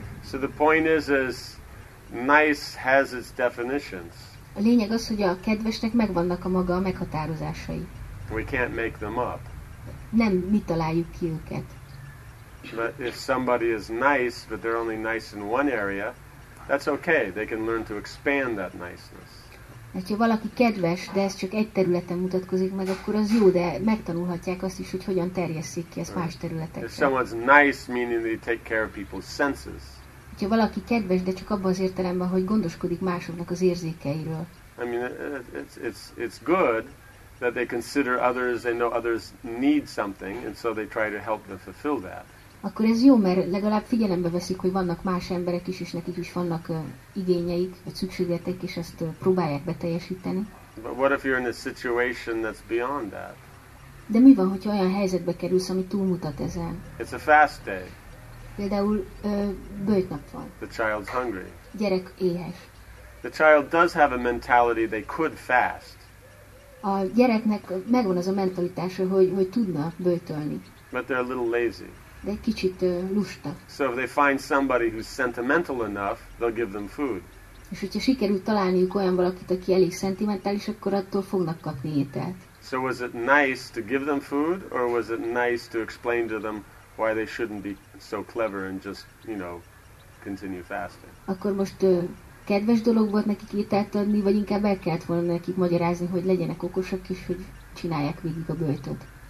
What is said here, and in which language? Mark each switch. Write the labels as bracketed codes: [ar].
[en] So the point is nice has its definitions. [hu] A lényeg az, hogy a kedvesnek megvannak a maga a meghatározásai. [en] We can't make them up. [hu] Nem mi találjuk ki őket. [en] But if somebody is nice, but they're only nice in one area, that's okay. They can learn to expand that niceness. [hu] Hát, ha valaki kedves, de ez csak egy területen mutatkozik meg, akkor az jó, de megtanulhatják azt is, hogy hogyan terjesszik ki ezt más területekre. [en] If someone's nice, meaning they take care of people's senses. [hu] Hogyha valaki kedves, de csak abban az értelemben, hogy gondoskodik másoknak az érzékeiről. [en] I mean, it's good that they consider others, they know others need something, and so they try to help them fulfill that. [hu] Akkor ez jó, mert legalább figyelembe veszik, hogy vannak más emberek is, és nekik is vannak igényeik, vagy szükségletek, és ezt próbálják beteljesíteni. [en] But what if you're in a situation that's beyond that? [hu] De mi van, hogyha olyan helyzetbe kerülsz, ami túlmutat ezen? [en] It's a fast day. [hu] Például bőjt nap van. [en] The child's hungry. [hu] Gyerek éhes. [en] The child does have a mentality they could fast. [hu] A gyereknek megvan az a mentalitása, hogy tudna böjtölni. [en] But they're a little lazy. [hu] De egy kicsit lusta. [en] So if they find somebody who's sentimental enough, they'll give them food. [hu] És hogyha sikerül találniuk olyan valakit, aki elég szentimentális, akkor attól fognak kapni ételt. [en] So was it nice to give them food, or was it nice to explain to them why they shouldn't be so clever and just, you know, continue fasting? [hu] Akkor most kedves dolog volt nekik ételt adni, vagy inkább el kellett volna nekik magyarázni, hogy legyenek okosak is, hogy csinálják végig a böjtöt.